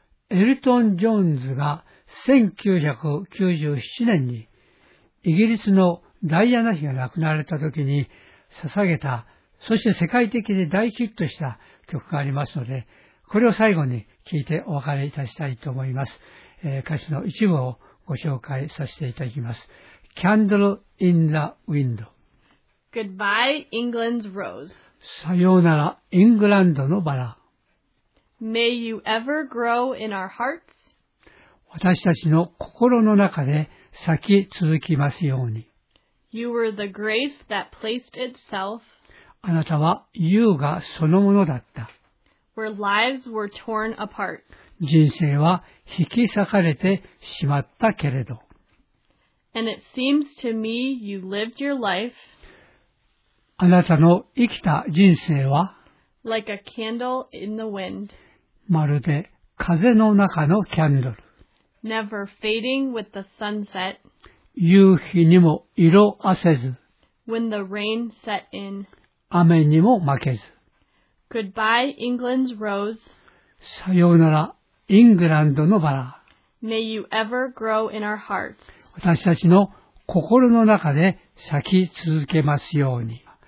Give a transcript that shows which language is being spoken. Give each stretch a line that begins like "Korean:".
Japanese: エルトン・ジョーンズが1997年にイギリスのダイアナ妃が亡くなられた時に捧げた、そして世界的に大ヒットした曲がありますので、これを最後に聴いてお別れいたしたいと思います。歌詞の一部をご紹介させていただきます。
English: Candle in the Wind。 Goodbye, England's Rose。
Japanese: さようなら、イングランドのバラ。
English: May you ever grow in our hearts。
Japanese: 私たちの心の中で咲き続きますように。
English: You were the grace that placed itself。
Japanese: あなたは優雅そのものだった。
English: Where lives were torn apart。
Japanese: 人生は引き裂かれてしまったけれど。
English: And it seems to me you lived your life.
Japanese: あなたの生きた人生は、
English: like a candle in the wind.
Japanese: まるで風の中のキャンドル。
English: Never fading with the sunset.
Japanese: 夕日にも色あせず。
English: When the rain set in.
Japanese: 雨にも負けず。
English: Goodbye, England's rose.
Japanese: さようなら。イングランドのバラ。
English: May you ever grow in our hearts.
Japanese: 私たちの心の中で咲き続けますように。